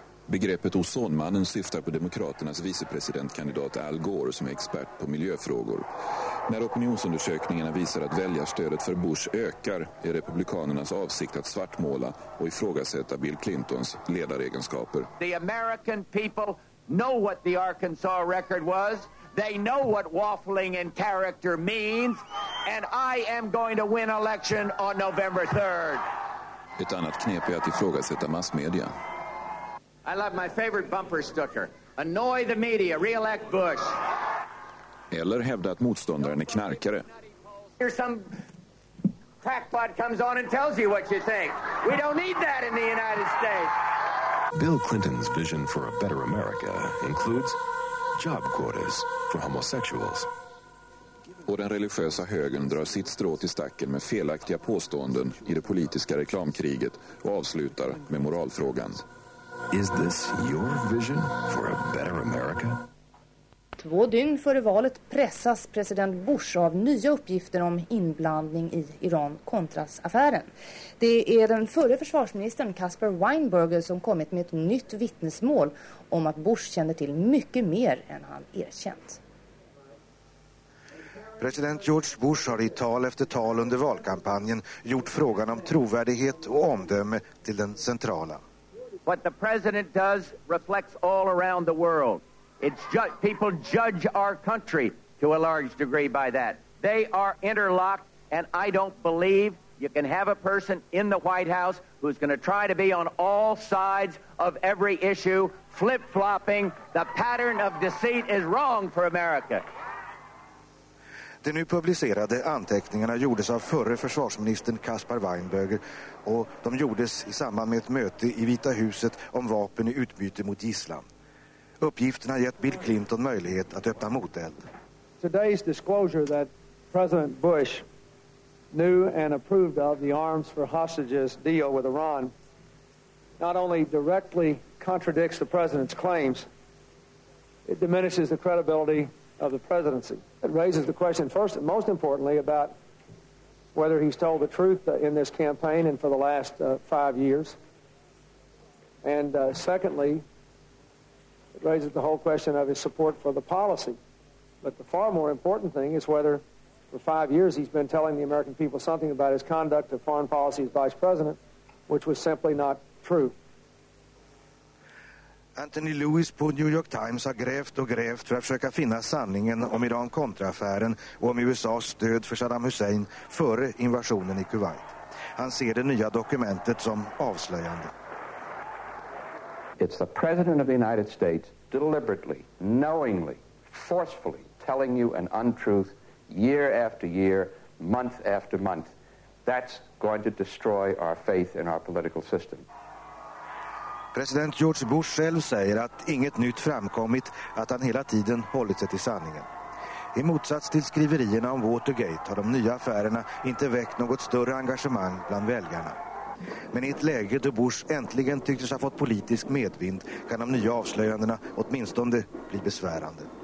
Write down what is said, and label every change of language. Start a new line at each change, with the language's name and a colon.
Swedish: Begreppet ozonmannen syftar på demokraternas vicepresidentkandidat Al Gore som är expert på miljöfrågor. När opinionsundersökningarna visar att väljarstödet för Bush ökar är republikanernas avsikt att svartmåla och ifrågasätta Bill Clintons ledaregenskaper.
English: The American people know what the Arkansas record was. They know what waffling in character means. And I am going to win election on November 3rd.
Swedish: Ett annat knep är att ifrågasätta massmedia.
English: I love my favorite bumper sticker. Annoy the media, re-elect Bush.
Swedish: Eller hävda att motståndaren är knarkare.
English: Here some crackpot comes on and tells you what you think. We don't need that in the United States. Bill Clinton's vision for a better America includes job quotas for homosexuals.
Swedish: Och den religiösa högern drar sitt strå till stacken med felaktiga påståenden i det politiska reklamkriget och avslutar med moralfrågan.
English: Is this your vision for a better America?
Swedish: Två dygn före valet pressas president Bush av nya uppgifter om inblandning i Iran-Contras-affären. Det är den förre försvarsministern Caspar Weinberger som kommit med ett nytt vittnesmål om att Bush kände till mycket mer än han erkänt. President George Bush har i tal efter tal under valkampanjen gjort frågan om trovärdighet och omdöme till den centrala.
English: What the president does reflects all around the world. It's just people judge our country to a large degree by that. They are interlocked, and I don't believe you can have a person in the White House who's going to try to be on all sides of every issue, flip-flopping. The pattern of deceit is wrong for America.
Swedish: De nu publicerade anteckningarna gjordes av förre försvarsministern Caspar Weinberger och de gjordes i samband med ett möte i Vita huset om vapen i utbyte mot gisslan. Uppgifterna har gett Bill Clinton möjlighet att öppna moteld.
English: Today's disclosure that President Bush knew and approved of the arms for hostages deal with Iran not only directly contradicts the president's claims, it diminishes the credibility of the presidency. It raises the question first and most importantly about whether he's told the truth in this campaign and for the last 5 years. And secondly, it raises the whole question of his support for the policy. But the far more important thing is whether for 5 years he's been telling the American people something about his conduct of foreign policy as vice president, which was simply not true.
Swedish: Anthony Lewis på New York Times har grävt och grävt för att försöka finna sanningen om Iran-Contra-affären och om USAs stöd för Saddam Hussein före invasionen i Kuwait. Han ser det nya dokumentet som avslöjande.
English: It's the president of the United States deliberately, knowingly, forcefully telling you an untruth year after year, month after month. That's going to destroy our faith in our political system.
Swedish: President George Bush själv säger att inget nytt framkommit, att han hela tiden hållit sig till sanningen. I motsats till skriverierna om Watergate har de nya affärerna inte väckt något större engagemang bland väljarna. Men i ett läge då Bush äntligen tycktes ha fått politisk medvind kan de nya avslöjandena åtminstone bli besvärande.